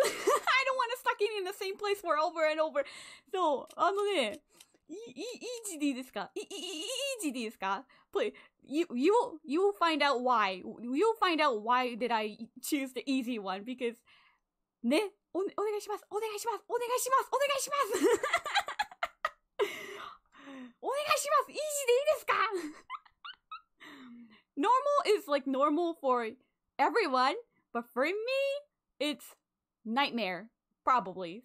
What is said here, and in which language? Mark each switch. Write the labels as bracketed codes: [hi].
[en] I don't want to stuck in the same place for over and over. [ja] So, あのね、easy でいいですか? [en] easy [ja] でいいですか? [en] Please, you'll find out why. You'll find out why did I choose the easy one. [ja] Because, ね、お願いします。お願いします。お願いします。お願いします。お願いします。イージーでいいですか? [en] Normal is like normal for everyone, but for me, it's nightmare, probably.